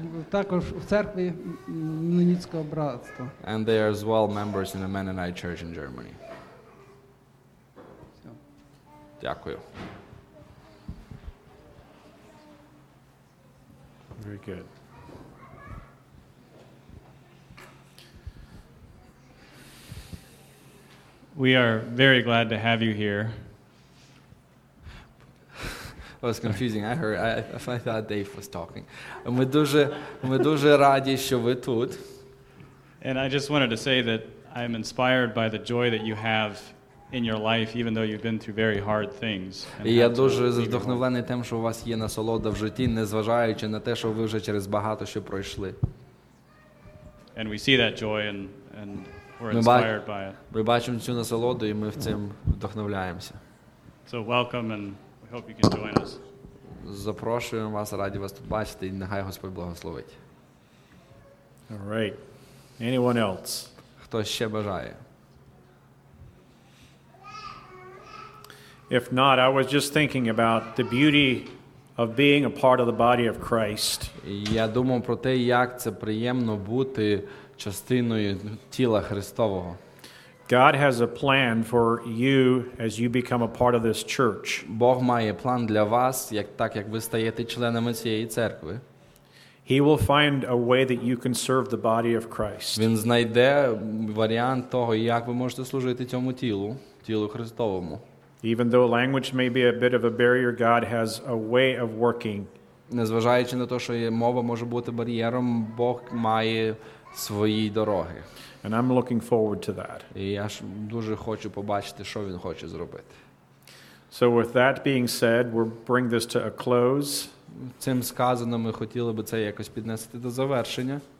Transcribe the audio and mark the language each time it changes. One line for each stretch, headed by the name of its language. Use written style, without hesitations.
Ukrainian: Також в церкві Мінніцького братства.
English: And they are as well members in the Mennonite Church in Germany.
Ukrainian: Дякую.
English: Very good. We are very glad to have you here. That was confusing. I heard. I thought Dave was talking.
Ukrainian: Ми дуже раді, що ви тут.
English: And I just wanted to say that I am inspired by the joy that you have in your life, even though you've been through very hard things.
Ukrainian: І я дуже вдохновлений тим, що у вас є насолода в житті, незважаючи на те, що ви вже через багато що пройшли.
English: And we see that joy and. We're inspired by it.
Ukrainian: Ми бачимо цю насолоду і ми в цим вдохновляємося.
English: So welcome and we hope you can join us.
Ukrainian: Запрошуємо вас, раді вас тут бачити і нехай Господь благословить.
English: All right. Anyone else?
Ukrainian: Хто ще бажає?
English: If not, I was just thinking about the beauty of being a part of the body of Christ.
Ukrainian: Я думав про те, як це приємно бути частиною тіла Христового.
English: God has a plan for you as you become a part of this church.
Ukrainian: Бог має план для вас, як ви стаєте членами цієї церкви.
English: He will find a way that you can serve the body of Christ.
Ukrainian: Він знайде варіант того, як ви можете служити цьому тілу Христовому.
English: Even though language may be a bit of a barrier, God has a way of working.
Ukrainian: Незважаючи на те, що мова може бути бар'єром, Бог має свої дороги.
English: And I'm looking forward to that.
Ukrainian: І я ж дуже хочу побачити, що він хоче зробити.
English: So with that being said, we'll bring this to a close.
Ukrainian: Цим сказано, ми хотіли би це якось піднести до завершення.